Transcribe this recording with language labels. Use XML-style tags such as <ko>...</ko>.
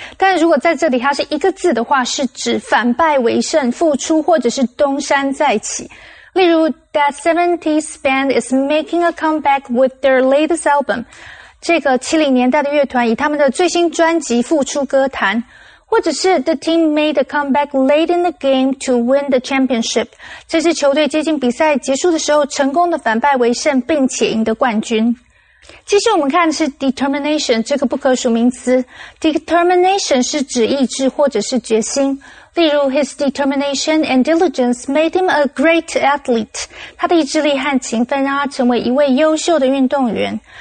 <zh>但如果在这里它是一个字的话，是指反败为胜、复出或者是东山再起。例如</zh> <en>That 70s band is making a comeback with their latest album.</en> <zh>这个70年代的乐团以他们的最新专辑复出歌坛。或者是</zh> <en>The team made a comeback late in the game to win the championship.</en> <zh>这支球队接近比赛结束的时候成功的反败为胜并且赢得冠军。其实我们看的是 determination 这个不可数名词。 Determination 是指意志或者是决心。例如</zh> <en>His determination and diligence made him a great athlete.</en> <zh>他的意志力和勤奋让他成为一位优秀的运动员。</zh>